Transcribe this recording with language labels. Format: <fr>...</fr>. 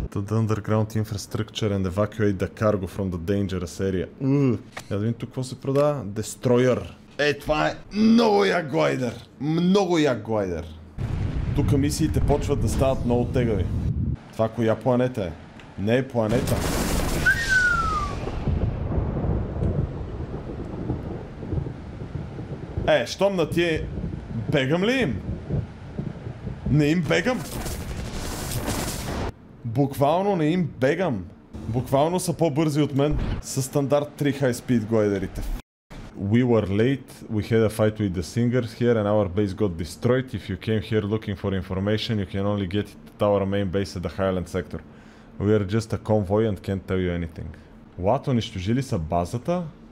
<en>The underground infrastructure and evacuate the cargo from the dangerous area.</en> <bg>Я да видим тук какво се продава.</bg> <en>Destroyer.</en> <bg>Е, това е много як глайдер. Много як глайдер. Тук мисиите почват да стават много тегави. Това коя планета е? Не е планета. Е, щом на тие... Бегам ли им? Не им бегам. Буквално не им бегам. Буквално са по-бързи от мен. Със стандарт 3 high speed глайдерите.</bg> <en>We were late, we had a fight with the singers here and our base got destroyed. If you came here looking for information, you can only get it at our main base at the Highland Sector. We are just a convoy and can't tell you anything. What,</en> <bg>унищожили са базата?</bg>